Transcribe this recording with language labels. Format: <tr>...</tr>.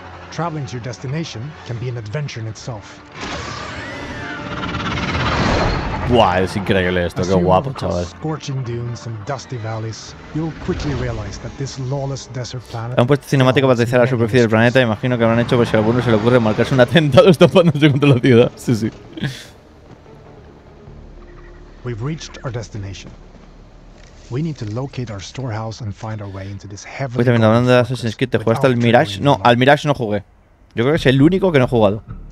<en>Traveling to your destination can be an adventure in itself.</en> <es>¡Buah, es increíble esto! ¡Qué guapo, chaval!</es> <en>Scorching dunes and dusty valleys, you'll quickly realize that this lawless desert planet...</en> <es>han puesto cinemático para aterrizar a la superficie del planeta. Imagino que lo han hecho por si a alguno se le ocurre marcarse un atentado estampándose contra la ciudad. Sí, sí.</es> <en>We've reached our destination. We need to locate our storehouse and find our way into this heavily...</en> <es>uy, también hablando de Assassin's Creed, ¿te jugaste al Mirage? No, al Mirage no jugué. Yo creo que es el único que no he jugado.</es>